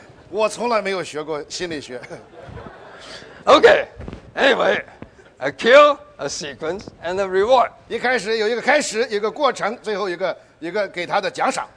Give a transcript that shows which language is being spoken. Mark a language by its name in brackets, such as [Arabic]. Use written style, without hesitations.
[Chinese] 我从来没有学过心理学。 [English] Okay. Anyway, a kill, a sequence, and a reward. [Chinese] 一开始有一个开始，一个过程，最后一个给他的奖赏。